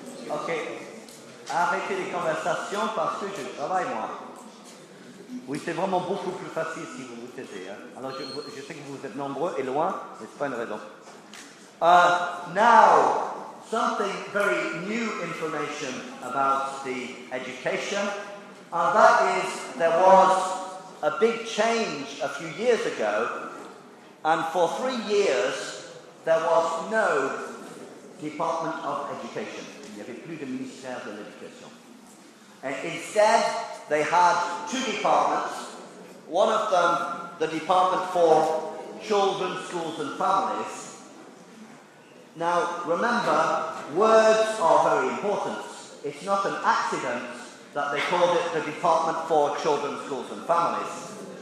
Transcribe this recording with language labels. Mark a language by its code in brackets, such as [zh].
[fr] Okay, arrêtez les conversations parce que je travaille moi. Oui, c'est vraiment beaucoup plus facile si vous vous taisez. Hein? Alors je sais que vous êtes nombreux et loin, mais c'est pas une raison. [en] Now, something very new information about the education. And that is, there was a big change a few years ago, and for 3 years there was no Department of Education. [fr] Il n'y avait plus de ministère de l'éducation. [en] And instead, they had two departments. One of them, the Department for Children, Schools and Families. Now, remember, words are very important. It's not an accident that they called it the Department for Children, Schools and Families.